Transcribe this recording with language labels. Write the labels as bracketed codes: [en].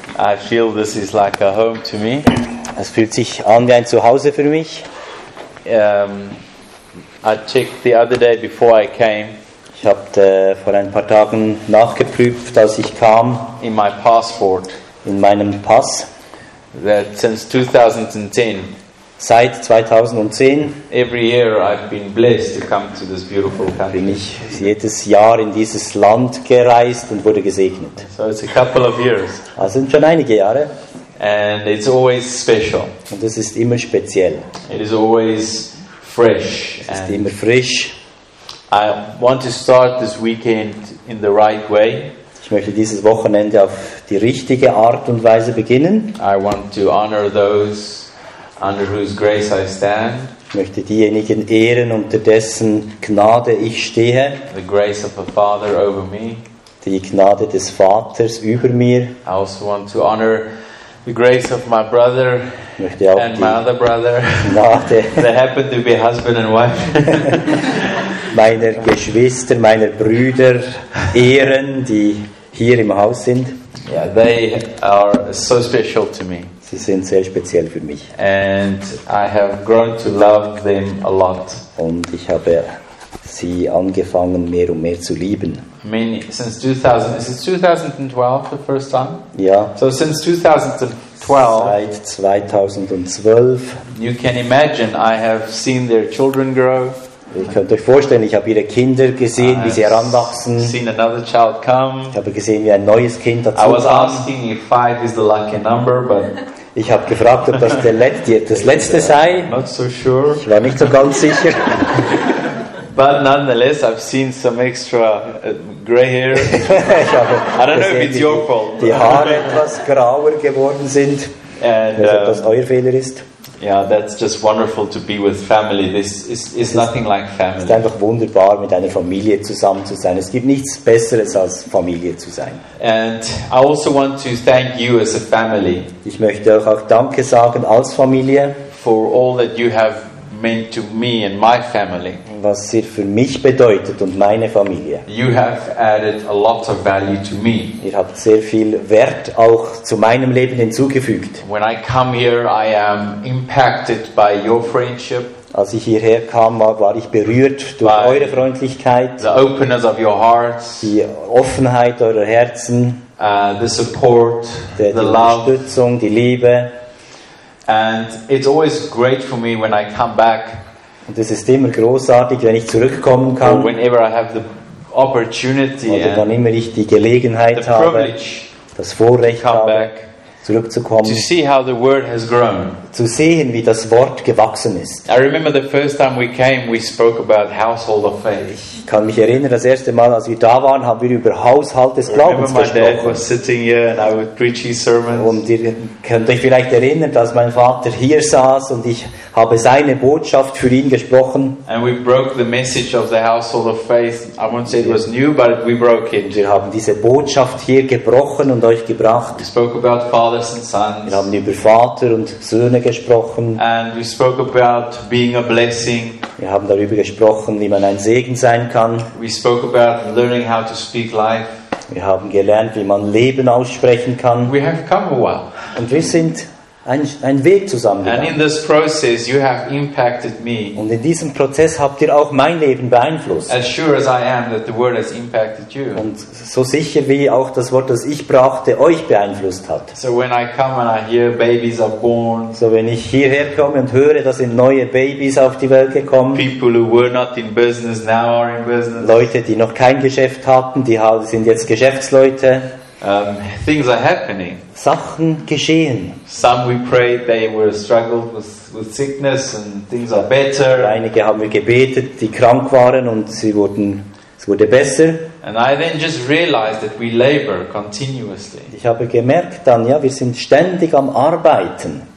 [en] I feel this is like a home to me. [de] Es fühlt sich an wie ein Zuhause für mich. [en] I checked the other day before I came. [de] Ich habe vor ein paar Tagen nachgeprüft, als ich kam. [en] In my passport. [de] In meinem Pass. [en] That since 2010. [de] Seit 2010 [en] every year I've been blessed to come to this beautiful country. [de] Bin ich jedes Jahr in dieses Land gereist und wurde gesegnet. [en] So it's a couple of years. [de] Das sind schon einige Jahre. [en] And it's always special. [de] Und es ist immer speziell. [en] It is always fresh. [de] Es ist immer frisch. [en] I want to start this weekend in the right way. [de] Ich möchte dieses Wochenende auf die richtige Art und Weise beginnen. [en] I want to honor those under whose grace I stand. [de] Ich möchte diejenigen ehren, unter dessen Gnade ich stehe. [en] The grace of the Father over me. [de] Die Gnade des Vaters über mir. [en] I also want to honor the grace of my brother and my other brother. [de] Gnade. [en] They happen to be husband and wife. [de] Meiner Geschwister, meiner Brüder ehren, die hier im Haus sind. [en] Yeah, they are so special to me. [de] Sie sind sehr speziell für mich. [en] And I have grown to love them a lot. [de] Und ich habe sie angefangen, mehr und mehr zu lieben. [en] I mean, since 2000, is it 2012 the first time? [de] Ja. [en] So since 2012. [de] Seit 2012. [en] You can imagine, I have seen their children grow. [de] Ich könnte euch vorstellen, ich habe ihre Kinder gesehen, wie sie heranwachsen. [en] Seen another child come. [de] Ich habe gesehen, wie ein neues Kind dazu kam. [en] I was asking if five is the lucky number, but [de] ich habe gefragt, ob das das letzte sei. [en] Not so sure. [de] Ich war nicht so ganz sicher. [en] But nonetheless, I've seen some extra gray hair. [de] Ich habe [en] I don't know if it's your fault. [de] Die Haare etwas grauer geworden sind. [en] And, [de] ich weiß, ob das euer Fehler ist. [en] Yeah, that's just wonderful to be with family. This is nothing like family. [de] Es ist einfach wunderbar, mit einer Familie zusammen zu sein. Es gibt nichts Besseres als Familie zu sein. [en] And I also want to thank you as a family. [de] Ich möchte euch auch Danke sagen als Familie. [en] For all that you have meant to me and my family. [de] Was ihr für mich bedeutet und meine Familie. [en] You have added a lot of value to me. [de] Ihr habt sehr viel Wert auch zu meinem Leben hinzugefügt. [en] When I come here, I am impacted by your friendship. [de] Als ich hierher kam, war ich berührt durch eure Freundlichkeit. [en] The openness of your hearts. [de] Die Offenheit eurer Herzen. [en] The support. [de] Die Unterstützung, die Liebe. [en] And it's always great for me when I come back. [de] Und es ist immer großartig, wenn ich zurückkommen kann. [en] Whenever I have the opportunity. [de] Oder wann immer ich die Gelegenheit habe, das Vorrecht habe, back, zurückzukommen. [en] To see how the word has grown. [de] Zu sehen, wie das Wort gewachsen ist. [en] I remember the first time we came, we spoke about household of faith. [de] Ich kann mich erinnern, das erste Mal, als wir da waren, haben wir über Haushalt des Glaubens gesprochen. [en] My dad was sitting here and I would preach his sermons. [de] Und ihr könnt euch vielleicht erinnern, dass mein Vater hier saß und ich habe seine Botschaft für ihn gesprochen. [en] And we broke the message of the household of faith. I won't say it was new, but we broke it. [de] Wir haben diese Botschaft hier gebrochen und euch gebracht. [en] We spoke about fathers and sons. [de] Wir haben über Vater und Söhne gesprochen. [en] And we spoke about being a blessing. [de] Wir haben darüber gesprochen, wie man ein Segen sein kann. [en] We spoke about learning how to speak life. [de] Wir haben gelernt, wie man Leben aussprechen kann. [en] We have come a while. [de] Und wir sind ein Weg zusammengegangen. [en] And in this process you have impacted me. [de] Und in diesem Prozess habt ihr auch mein Leben beeinflusst. [en] As sure as I am that the word has impacted you. [de] Und so sicher wie auch das Wort, das ich brachte, euch beeinflusst hat. [en] So when I come and I hear babies are born. [de] So wenn ich hierher komme und höre, dass sind neue Babys auf die Welt gekommen. [en] People who were not in business now are in business. [de] Leute, die noch kein Geschäft hatten, die sind jetzt Geschäftsleute. [en] Things are happening. [de] Sachen geschehen. [en] Some we prayed they were struggled with sickness and things are better. [de] Einige haben wir gebetet, die krank waren und es wurde besser. [en] And I then just realized that we labor continuously. [de] Ich habe gemerkt dann, ja, wir sind ständig am Arbeiten.